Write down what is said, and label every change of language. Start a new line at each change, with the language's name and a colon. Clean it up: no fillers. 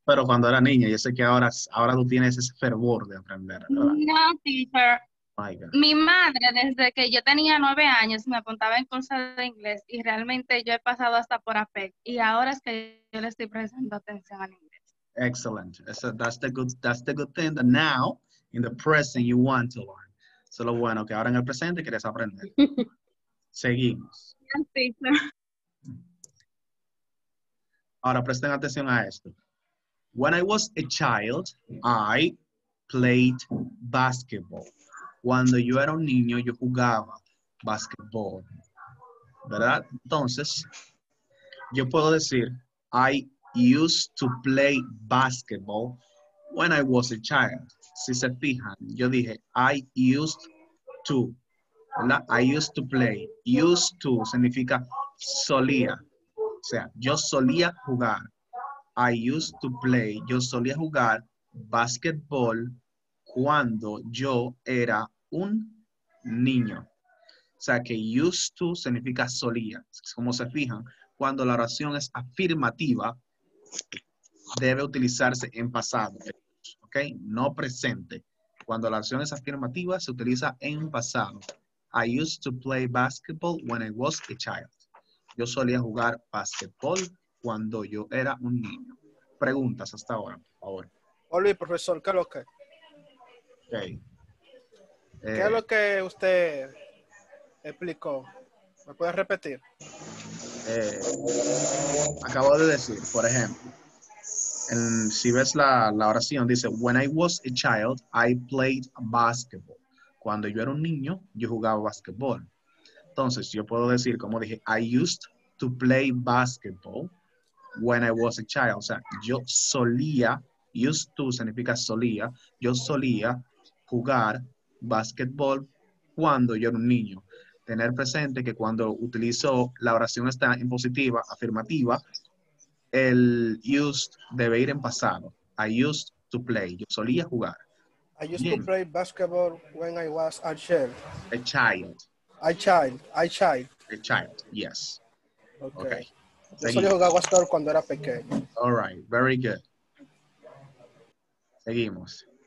Spanish: Pero cuando era niña, yo sé que ahora tú tienes ese fervor de aprender, ¿verdad?
English: No, teacher.
Spanish: Mi madre, desde que yo tenía 9 años, me apuntaba en cursos de inglés y realmente yo he pasado hasta por APEC y ahora es que yo le estoy prestando atención al inglés.
English: Excellent. So that's the good thing that now, in the present, you want to learn.
Spanish: So lo bueno que ahora en el presente quieres aprender. Seguimos. Ahora presten atención a esto.
English: When I was a child, I played basketball.
Spanish: Cuando yo era un niño, yo jugaba basketball. ¿Verdad? Entonces, yo puedo decir,
English: I used to play basketball when I was a child.
Spanish: Si se fijan, yo dije,
English: I used to.
Spanish: ¿Verdad?
English: I used to play. Used to
Spanish: significa solía. O sea, yo solía jugar.
English: I used to play.
Spanish: Yo solía jugar basketball cuando yo era un niño. O sea, que used to significa solía. Como se fijan, cuando la oración es afirmativa, debe utilizarse en pasado. ¿Ok? No presente. Cuando la oración es afirmativa, se utiliza en pasado.
English: I used to play basketball when I was a child.
Spanish: Yo solía jugar basketball cuando yo era un niño. Preguntas hasta ahora, por favor. Hola, profesor. ¿Qué es lo que? Ok. ¿Qué es lo que usted explicó? ¿Me puede repetir? Acabo de decir, por ejemplo, en, si ves la, la oración, dice,
English: when I was a child, I played basketball.
Spanish: Cuando yo era un niño, yo jugaba basketball. Entonces, yo puedo decir, como dije,
English: I used to play basketball when I was a child.
Spanish: O sea, yo solía, used to significa solía, yo solía jugar basketball cuando yo era un niño. Tener presente que cuando utilizo la oración está en positiva, afirmativa, el used debe ir en pasado.
English: I used to play.
Spanish: Yo solía jugar.
English: I used to play basketball when I was a child. A child. A child. A child. A child, yes.
Spanish: Okay. Okay. Yo solía jugar basketball cuando era pequeño.
English: All right. Very good.
Spanish: Seguimos.